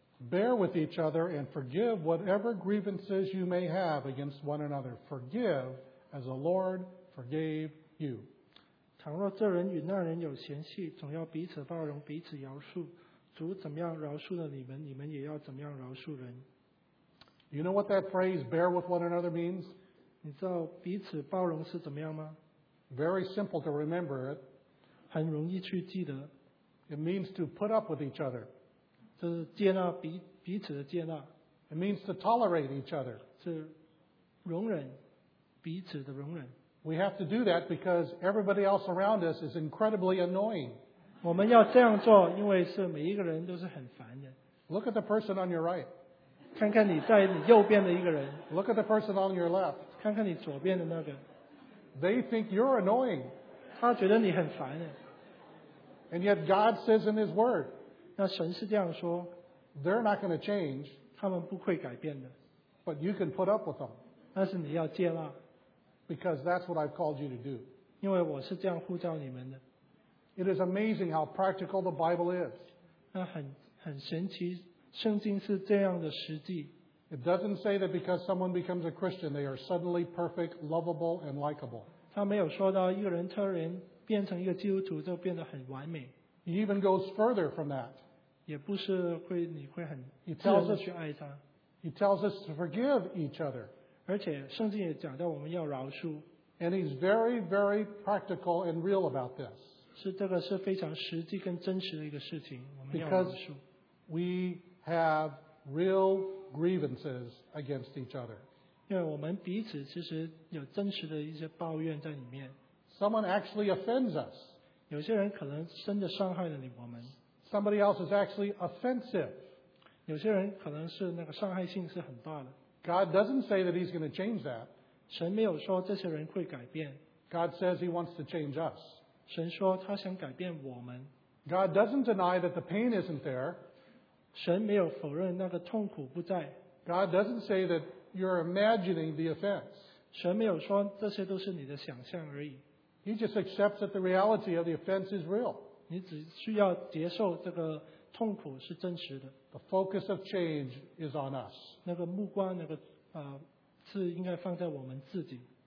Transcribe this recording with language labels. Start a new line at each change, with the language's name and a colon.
English: Bear with each other and forgive whatever grievances you may have against one another. Forgive as the Lord forgave you.
Chinese: 倘若这人与那人有嫌隙，总要彼此包容，彼此饶恕。主怎么样饶恕了你们，你们也要怎么样饶恕人。
English: You know what that phrase "bear with one another" means?
Chinese: 你知道彼此包容是怎么样吗
English: ？Very simple to remember it.
Chinese: 很容易去记得。
English: It means to put up with each other.
Chinese: 就是接纳彼此的接纳。
English: It means to tolerate each other.
Chinese: 是容忍彼此的容忍。
English: We have to do that because everybody else around us is incredibly annoying.
Chinese: 我们要这样做，因为是每一个人都是很烦的。
English: Look at the person on your right.
Chinese: 看看你在你右边的一个人。
English: Look at the person on your left.
Chinese: 看看你左边的那个。
English: They think you're annoying.
Chinese: 他觉得你很烦的。
English: And yet God says in His Word,
Chinese: 那神是这样说,
English: they're not going to change,
Chinese: 他们不会改变的,
English: but you can put up with them,
Chinese: 但是你要接纳,
English: because that's what I've called you to do.
Chinese: 因为我是这样呼召你们的。
English: It is amazing how practical the Bible is.
Chinese: 那很神奇, 圣经是这样的实际。
English: It doesn't say that because someone becomes a Christian, they are suddenly perfect, lovable, and likable.
Chinese: 他没有说到一个人特人变成一个基督徒就变得很完美。
English: He even goes further from that.
Chinese: 也不是会你会很自然地去爱他。
English: He tells us to forgive each other.
Chinese: 而且圣经也讲到我们要饶恕。
English: And he's very, very practical and real about this.
Chinese: 是这个是非常实际跟真实的一个事情，我们要饶恕。
English: Because we have real grievances against each other.
Chinese: 因为我们彼此其实有真实的一些抱怨在里面。
English: Someone actually offends us.
Chinese: 有些人可能真的伤害了你我们。
English: Somebody else is actually offensive.
Chinese: 有些人可能是那个伤害性是很大的。
English: God doesn't say that He's going to change that.
Chinese: 神没有说这些人会改变。
English: God says He wants to change us.
Chinese: 神说他想改变我们。
English: God doesn't deny that the pain isn't there.
Chinese: 神没有否认那个痛苦不在。
English: God doesn't say that you're imagining the offense.
Chinese: 神没有说这些都是你的想象而已。
English: He just accepts that the reality of the offense is real.
Chinese: 你只需要接受这个痛苦是真实的。
English: The focus of change is on us.
Chinese: 那个目光，那个是应该放在我们自己。